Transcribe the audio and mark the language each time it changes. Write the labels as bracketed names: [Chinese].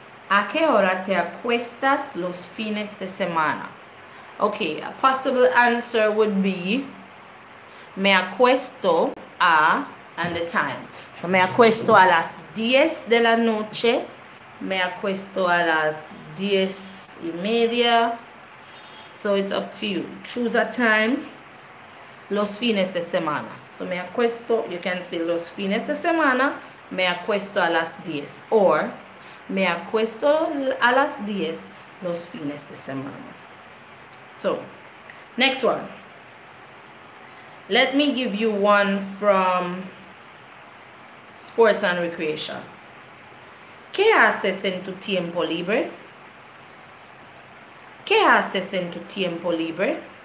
[Spanish] ¿A qué hora te acuestas los fines de semana? [English] Okay, a possible answer would be [Spanish] me acuesto a [English] and the time. [Spanish] So me acuesto a las 10 de la noche. Me acuesto a las 10 y media. [English] So it's up to you. Choose a time. [Spanish] Los fines de semana. So me acuesto, [English] you can say [Spanish] los fines de semana, me acuesto a las 10. Or me acuesto a las 10 los fines de semana. [English] So, next one. Let me give you one from Sports and Recreation. [Spanish] ¿Qué haces en tu tiempo libre? ¿Qué haces en tu tiempo libre?